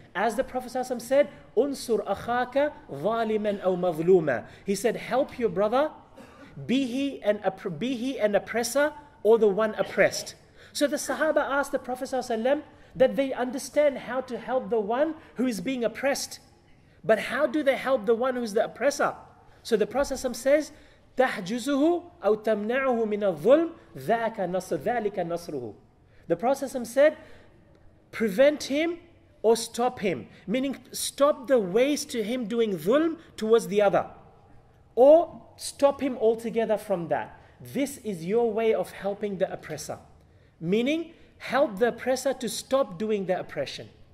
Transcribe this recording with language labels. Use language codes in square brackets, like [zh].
[en] As the Prophet ﷺ said, [ar] "Unsur akhaka zaliman aw mazluma." [en] He said, help your brother, be he an oppressor or the one oppressed. So the Sahaba asked the Prophet ﷺ that they understand how to help the one who is being oppressed. But how do they help the one who is the oppressor? So the Prophet ﷺ says, [ar] تَحْجُزُهُ أَوْ تَمْنَعُهُ مِنَ الظُّلْمِ ذَاكَ نَصْرُ ذَلِكَ نَصْرُهُ. [en] The Prophet ﷺ said, prevent him or stop him. Meaning, stop the ways to him doing dhulm towards the other. Or stop him altogether from that. This is your way of helping the oppressor. Meaning, help the oppressor to stop doing the oppression.